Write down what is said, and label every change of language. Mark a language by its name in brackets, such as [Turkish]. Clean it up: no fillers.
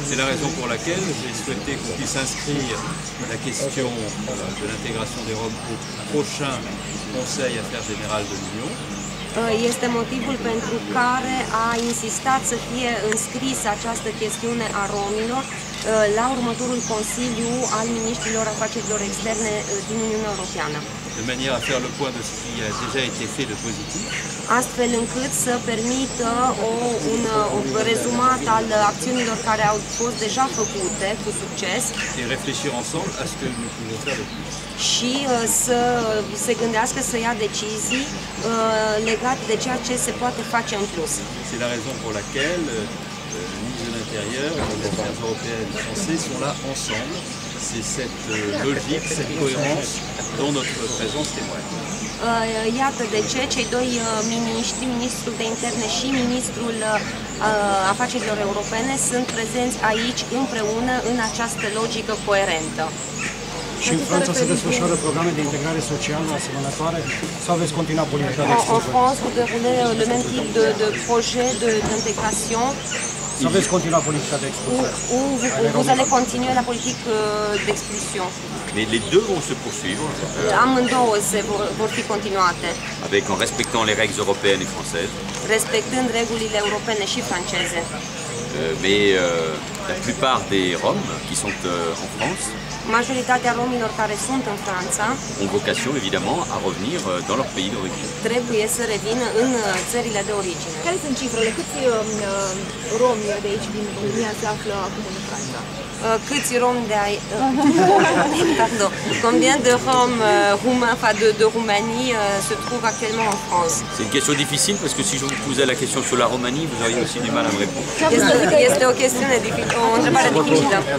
[French] C'est la raison pour laquelle j'ai souhaité qu'on puisse inscrire la question de l'intégration des Roms au prochain Conseil Affaires Générales de l'Union. [Romanian] Este motivul pentru care a insistat să fie înscrisă această chestiune a romilor la următorul Consiliu al Ministrilor Afacerilor Externe din Uniunea Europeană. [French] De manière à faire le point de ce qui a déjà été fait de positif. [Romanian] Astfel încât să permită un rezumat al acțiunilor care au fost deja făcute cu succes. [French] Et réfléchir ensemble à ce que nous pouvons faire de plus. [Romanian] Și să se gândească să ia decizii legate de ceea ce se poate face în plus. [French] C'est la raison pour laquelle le ministre de l'Intérieur, les affaires européennes français sont là ensemble. C'est cette logique, cette cohérence dont notre présence témoigne. [Romanian] Iată de ce cei doi miniștri, ministrul de interne și ministrul afacerilor europene, sunt prezenți aici împreună în această logică coerentă. Și în Franța se desfășoară programe de integrare socială asemănătoare sau veți continua politica de exclusiune? În Franța se desfășoară [French] le même type de projet de integration. [Romanian] Sau veți continua politica de expulsion? [French] Vous allez continuer la politique d'expulsion. Mais les deux vont se poursuivre. [Romanian] Amândouă se vor fi continuate. [French] Avec en respectant les règles européennes et françaises. [Romanian] Respectând regulile europene și franceze. [French] Mais la plupart des Roms qui sont en France. [Romanian] Majoritatea romilor care sunt în Franța. [French] Ont vocation évidemment à revenir dans leur pays d'origine. [Romanian] Trebuie să revină în țările de origine. Care sunt cifrele? Câți romi de aici din România se află acum în Franța? Câți romi de aici? Pardon. [French] Combien de Roms roumains, enfin de Roumanie, se trouvent actuellement en France? C'est une question difficile parce que si je vous posais la question sur la Roumanie, vous auriez aussi du mal à me répondre. [Romanian] Este o chestiune dificilă, o întrebare dificilă.